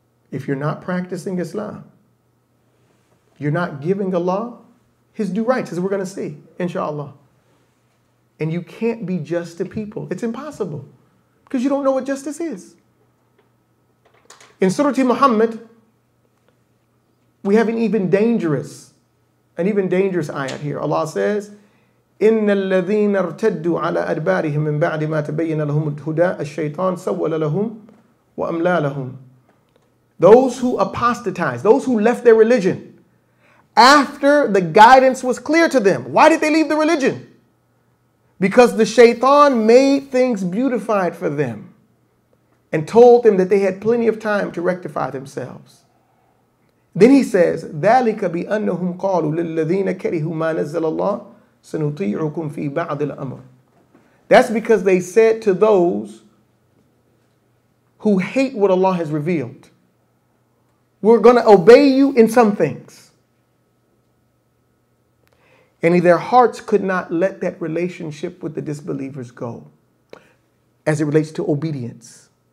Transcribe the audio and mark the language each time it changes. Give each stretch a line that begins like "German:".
English: If you're not practicing Islam, you're not giving Allah his due rights, as we're going to see, inshallah. And you can't be just to people. It's impossible. Because you don't know what justice is. In Surah Muhammad, we have an even dangerous ayat here. Allah says,
Arabic: إِنَّ الَّذِينَ ارْتَدُّوا عَلَى أَدْبَارِهِمْ مِنْ بَعْدِ مَا تَبَيِّنَ لَهُمُ الْهُدَىٰ الشَّيْطَانُ سَوَّلَ لَهُمْ وَأَمْلَى لَهُمْ.
English: Those who apostatized, those who left their religion, after the guidance was clear to them, why did they leave the religion? Because the shaitan made things beautified for them and told them that they had plenty of time to rectify themselves. Then he says,
Arabic: ذَلِكَ بِأَنَّهُمْ قَالُوا لِلَّذِينَ كَرِهُوا مَا نَزَّلَ اللَّهُ سَنُطِيعُكُمْ فِي بَعْضِ الْأَمْرِ.
English: That's because they said to those who hate what Allah has revealed, we're going to obey you in some things. And their hearts could not let that relationship with the disbelievers go as it relates to obedience.